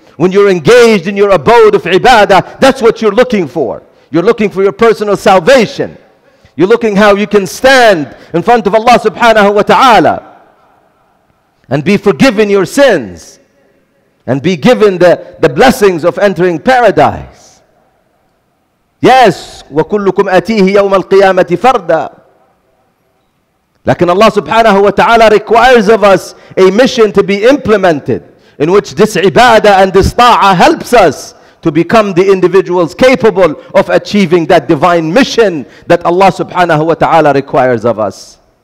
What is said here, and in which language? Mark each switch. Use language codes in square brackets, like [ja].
[en] When you're engaged in your abode of ibadah, that's what you're looking for. You're looking for your personal salvation. You're looking how you can stand in front of Allah subhanahu wa ta'ala and be forgiven your sins and be given the blessings of entering paradise. [ar] Yes, وَكُلُّكُمْ أَتِيهِ يَوْمَ الْقِيَامَةِ فَرْدًا. [en] لكن Allah subhanahu wa ta'ala requires of us a mission to be implemented in which this ibadah and this ta'ah helps us to become the individuals capable of achieving that divine mission that Allah subhanahu wa ta'ala requires of us.